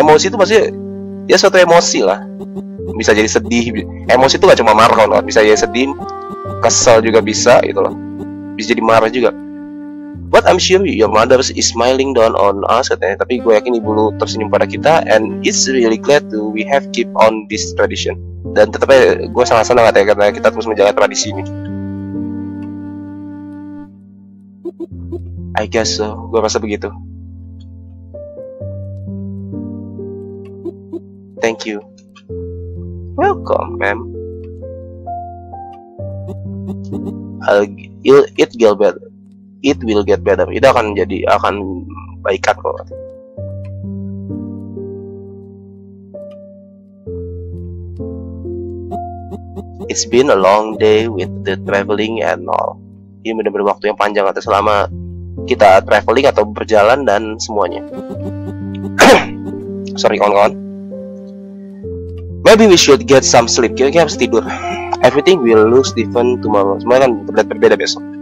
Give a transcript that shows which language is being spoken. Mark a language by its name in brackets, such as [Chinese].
[Indonesian] Emosi itu pasti ya suatu emosi lah. Bisa jadi sedih. Emosi itu gak cuma marah kan, bisa jadi sedih, kesel juga bisa gitu loh. Bisa jadi marah juga. [English] But I'm sure your mother is smiling down on us [Indonesian] katanya. Tapi gue yakin ibu lu tersenyum pada kita [English] and it's really glad to we have keep on this tradition. [Indonesian] Dan tetapi gue sangat senang ya, karena kita terus menjaga tradisi ini. [English] I guess so, [Indonesian] gue rasa begitu. [English] Thank you. Welcome, ma'am. It will get better. It will get better. [Indonesian] Itu akan jadi, akan baikkan kok. [English] It's been a long day with the traveling and all. [Indonesian] Ini benar-benar waktu yang panjang atau selama kita traveling atau berjalan dan semuanya. [English] Sorry kawan-kawan. Maybe we should get some sleep. [Indonesian] Kita harus tidur. [English] Everything will look different tomorrow. [Indonesian] Semuanya kan berbeda besok.